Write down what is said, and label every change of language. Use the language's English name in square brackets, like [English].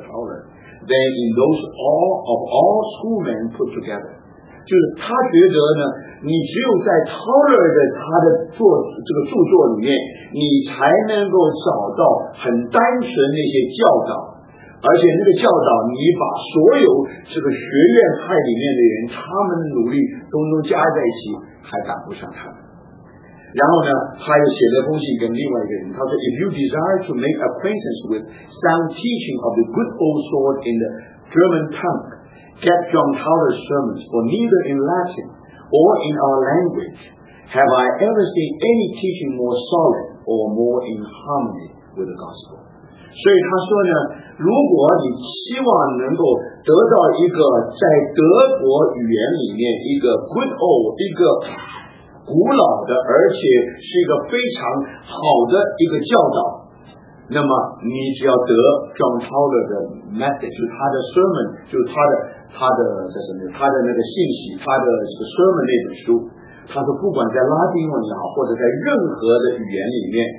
[English] Taylor than in those all of all schoolmen put together。 [Chinese] 就是他觉得呢，你只有在 Taylor 的他的作这个著作里面，你才能够找到很单纯那些教导，而且那个教导你把所有这个学院派里面的人他们的努力通通加在一起，还赶不上他们。然后呢，他又写了封信跟另外一个人，他说 [English] If you desire to make acquaintance with sound teaching of the good old sort in the German tongueGet John Taylor's sermons, for neither in Latin or in our language have I ever seen any teaching more solid or more in harmony with the gospel. [Chinese] 所以他说呢，如果你希望能够得到一个在德国语言里面一个 good old, 一个古老的，而且是一个非常好的一个教导，那么你只要得 John Taylor 的 message, 就是他的 sermon, 就是他的这什么，他的那个信息，他的这个 sermon 那本书，他说不管在拉丁文也好，或者在任何的语言里面，